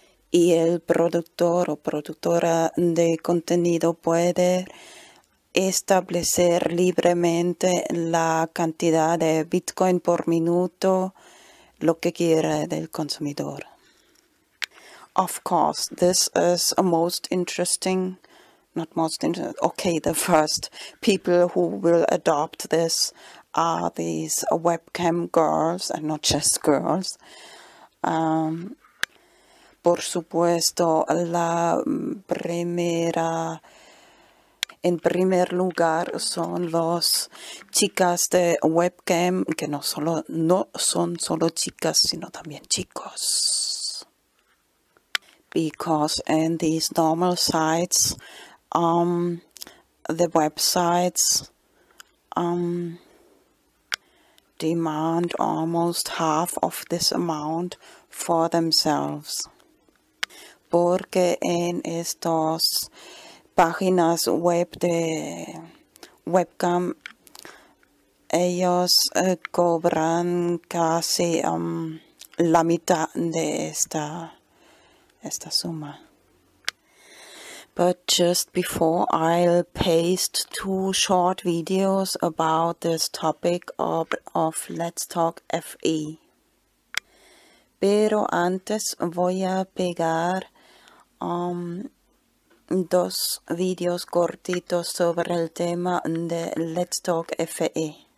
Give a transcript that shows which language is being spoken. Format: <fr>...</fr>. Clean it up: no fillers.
<es>Y el productor o productora de contenido puede establecer libremente la cantidad de Bitcoin por minuto, lo que quiera del consumidor.</es> <en>Of course, this is a most interesting, not most interesting, okay, the first people who will adopt this are these webcam girls, and not just girls.</en> <es>Por supuesto, la primera, en primer lugar, son los chicas de webcam, que no solo, no son solo chicas, sino también chicos.</es> <en>Because in these normal sites, the websites demand almost half of this amount for themselves.</en> <es>Porque en estos páginas web de webcam, ellos cobran casi la mitad de esta suma.</es> <en>But just before, I'll paste two short videos about this topic of Let's Talk FE.</en> <es>Pero antes voy a pegar dos videos cortitos sobre el tema de Let's Talk FE.</es>